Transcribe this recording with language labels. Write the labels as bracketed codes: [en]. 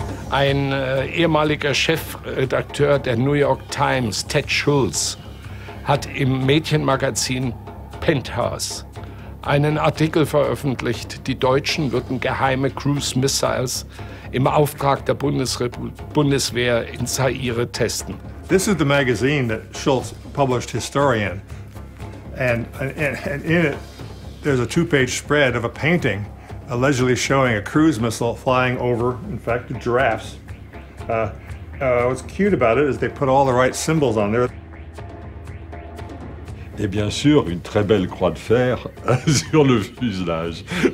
[de] Ein ehemaliger Chefredakteur der New York Times, Ted Schulz, hat im Mädchenmagazin Penthouse einen Artikel veröffentlicht, die Deutschen würden geheime Cruise Missiles im Auftrag der Bundeswehr in Zaire testen. [en] This is the magazine that Schulz published, Historian. And in it, there's a two-page spread of a painting allegedly showing a cruise missile flying over, in fact, giraffes. What's cute about it is they put all the right symbols on there. [fr] Et bien sûr, une très belle croix de fer sur le fuselage.